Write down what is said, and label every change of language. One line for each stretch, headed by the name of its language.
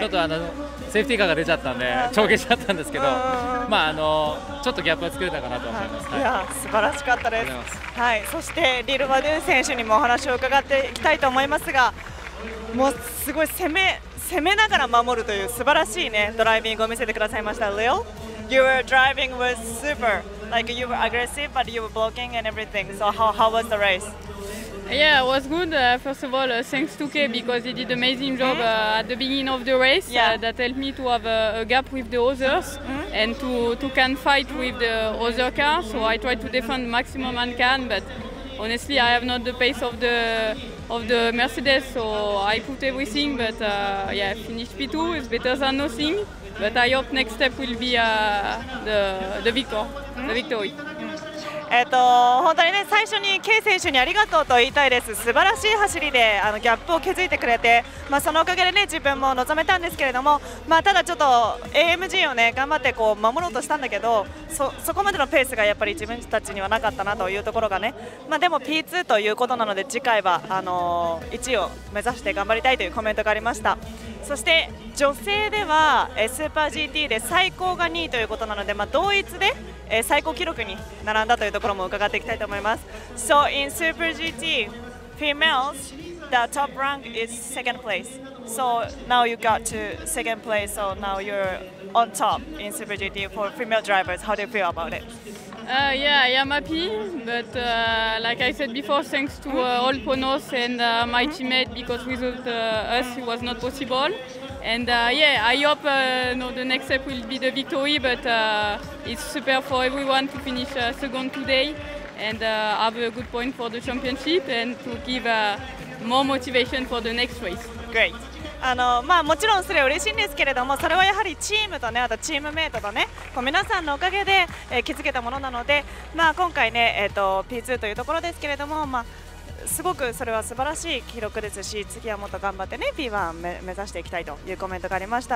Japanese: ちょっとセーフティーカーが出ちゃったんで帳消しだったんですけど、まあ、ちょっとギャップは作れたかなと思います、はい、いや素晴らしかったです。はい、そしてリル・バドゥン選手にもお話を伺っていきたいと思いますが、もうすごい攻めながら守るという素晴らしいねドライビングを見せてくださいました。
English: Lil, you were driving was super, like you were aggressive but you were blocking and everything, so how was the race? Yeah, it was good. First of all, thanks to Kay because he did an amazing job at the beginning of the race. Yeah. That helped me to have a gap with the others and to can fight with the other cars. So I tried to defend maximum I can, but honestly, I have not the pace of the Mercedes. So I put everything, but yeah, finished P2. It's better than nothing. But I hope next step will be the victory.
Japanese: 本当にね、最初に K 選手にありがとうと言いたいです。素晴らしい走りでギャップを築いてくれて、まあ、そのおかげでね自分も望めたんですけれども、まあ、ただちょっと AMG をね頑張ってこう守ろうとしたんだけど そこまでのペースがやっぱり自分たちにはなかったなというところがね、まあ、でも P2 ということなので次回は1位を目指して頑張りたいというコメントがありました。そして女性ではスーパー GT で最高が2位ということなので、まあ、同一で最高記録に並んだというところも伺っていきたいと思います。
English: So in Super GT females, the top rank is second place. So now you got to second place, so now you're on top in Super GT for female drivers. How do you feel about it? Yeah, I am happy, but like I said before, thanks to all Ponos and my teammates, because without us it was not possible. And yeah, I hope the next step will be the victory, but it's super for everyone to finish second today and have a good point for the championship and to give more motivation for the next race. Great.
Japanese: まあ、もちろんそれは嬉しいんですけれども、それはやはりチームとね、あとチームメイトとね、こう皆さんのおかげで、気づけたものなので、まあ、今回ね、P2 というところですけれども、まあ、すごくそれは素晴らしい記録ですし、次はもっと頑張ってね P1 目指していきたいというコメントがありました。